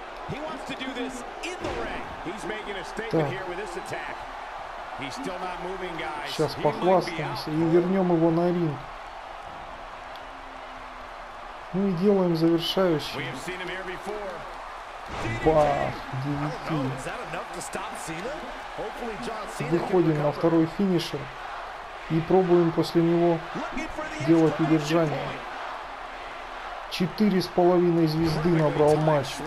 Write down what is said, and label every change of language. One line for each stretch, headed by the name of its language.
English: He wants to do this in the ring. He's making a statement here with this attack. He's still not moving, guys.
Russian: Сейчас похвастаемся и вернем его на ринг. Ну и делаем завершающий.
English: We have seen him here before.
Russian: Бах, DDT.
English: Is that enough to stop Cena? Hopefully John Cena.
Russian: Выходим на второй финишер и пробуем после него делать удержание. 4,5 звезды набрал матч.